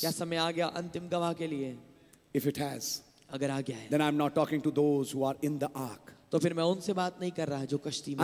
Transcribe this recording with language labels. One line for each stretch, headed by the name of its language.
Hindi: क्या समय आ गया अंतिम गवाह के लिए?
English: If it has,
Hindi: अगर आ गया है,
English: then I'm not talking to those who are in the ark.
Hindi: तो फिर मैं उनसे बात नहीं कर रहा जो कश्ती में